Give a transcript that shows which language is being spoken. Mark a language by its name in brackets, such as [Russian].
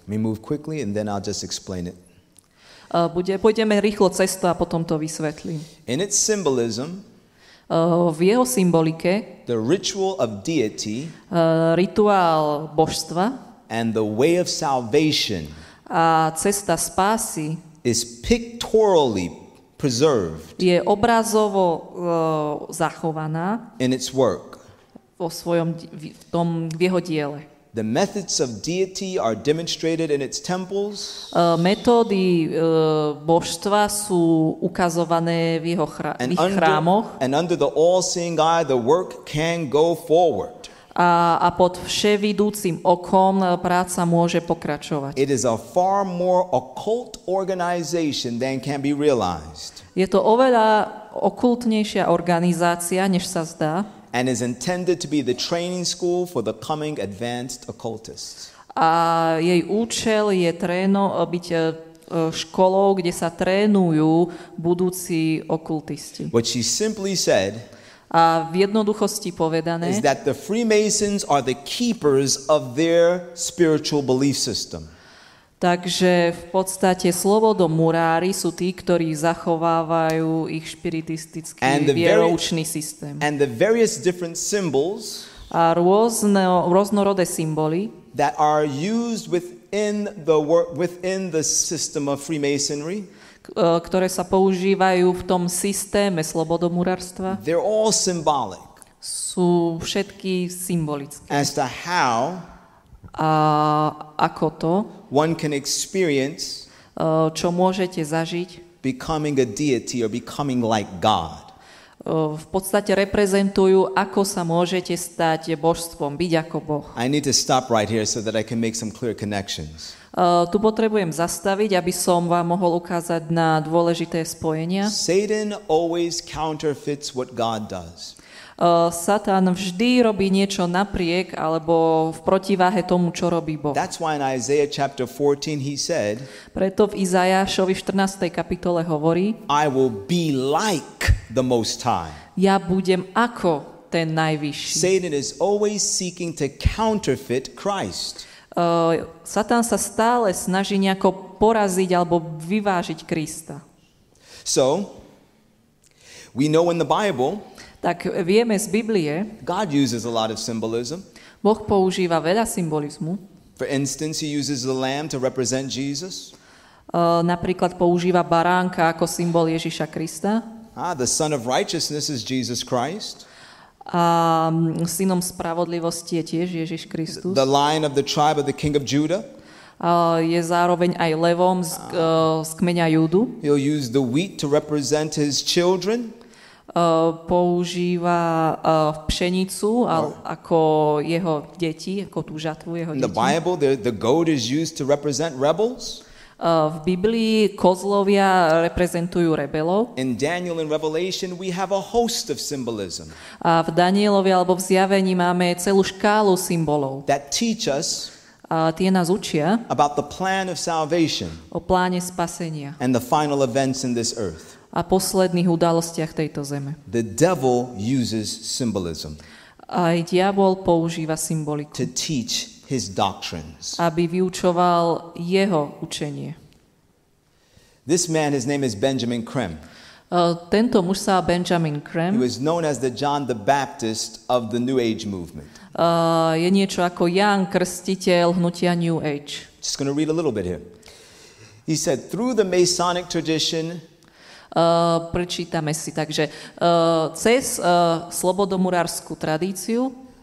[English] We move quickly and then I'll just explain it. [Slovak] Pôjdeme rýchlo cestu a potom to vysvetlím. [English] In its symbolism, [Slovak] v jeho symbolike, [English] the ritual of deity, [Slovak] rituál božstva, [English] and the way of salvation, [Slovak] a cesta spásy, [English] is pictorially preserved. [Slovak] Je obrazovo zachovaná [English] in its work. [Slovak] Vo svojom v tom v jeho diele. [English] The methods of deity are demonstrated in its temples. [Slovak] Metódy božstva sú ukazované v jeho chrámoch. [English] And under the all-seeing eye, the work can go forward. [Slovak] A pod vševidúcim okom práca môže pokračovať. [English] It is a far more occult organization than can be realized. [Slovak] Je to oveľa okultnejšia organizácia, než sa zdá. [English] And is intended to be the training school for the coming advanced occultists. [Slovak] A jej účel je byť školou, kde sa trénujú budúci okultisti. [English] What she simply said, [Slovak] a v jednoduchosti povedané, [English] is that the Freemasons are the keepers of their spiritual belief system. [Slovak] Takže v podstate slobodomurári sú tí, ktorí zachovávajú ich špiritistický vieroučný systém. [English] And the various different symbols [Slovak] a rôznorodé symboly [English] that are used within the system of Freemasonry, [Slovak] ktoré sa používajú v tom systéme slobodomurárstva, [English] they're all symbolic. [Slovak] Sú všetky symbolické. [English] As to how [Slovak] a ako to [English] one can experience [Slovak] čo môžete zažiť [English] becoming a deity or becoming like God. [Slovak] V podstate reprezentujú, ako sa môžete stať božstvom, byť ako Boh. [English] I need to stop right here so that I can make some clear connections. [Slovak] Tu potrebujem zastaviť, aby som vám mohol ukázať na dôležité spojenia. [English] Satan always counterfeits what God does. [Slovak] Satan vždy robí niečo napriek alebo v protiváhe tomu, čo robí Boh. [English] That's why in Isaiah chapter 14 he said, [Slovak] preto v Izajášovi 14. kapitole hovorí, [English] I will be like the Most High. [Slovak] Ja budem ako ten najvyšší. [English] Satan is always seeking to counterfeit Christ. [Slovak] Satan sa stále snaží nejako poraziť alebo vyvážiť Krista. [English] So, we know in the Bible, [Slovak] tak vieme z Biblie, [English] God uses a lot of symbolism. [Slovak] Boh používa veľa symbolizmu. [English] For instance, he uses the lamb to represent Jesus. [Slovak] Napríklad používa baránka ako symbol Ježiša Krista. [English] The son of righteousness is Jesus Christ. [Slovak] A synom spravodlivosti je tiež Ježiš Kristus. [English] The lion of the tribe of the king of Judah. [Slovak] Je zároveň aj levom z kmeňa Júdu. [English] He'll use the wheat to represent his children. [Slovak] Používa pšenicu ako jeho deti, ako tú žatvu jeho deti. [English] The Bible, the goat is used to represent rebels. [Slovak] V Biblii kozlovia reprezentujú rebelov. [English] In Daniel and Revelation we have a host of symbolism. [Slovak] A v Danielovi alebo v Zjavení máme celú škálu symbolov. [English] That teach us [Slovak] tie nás učia [English] about the plan of salvation. [Slovak] O pláne spasenia. [English] And the final events in this earth. [Slovak] A posledných udalostiach tejto zeme. [English] The devil uses symbolism. [Slovak] Aj diabol používa symboliku. [English] To teach his doctrines. [Slovak] Aby vyučoval jeho učenie. [English] This man, his name is Benjamin Krem. [Slovak] Tento muž sa Benjamin Krem. [English] He was known as the John the Baptist of the New Age movement. [Slovak] Je niečo ako Ján Krstiteľ hnutia New Age. [English] Just going to read a little bit here. He said, through the Masonic tradition, [Slovak] Prečítame si. Takže cez slobodomurárskú tradíciu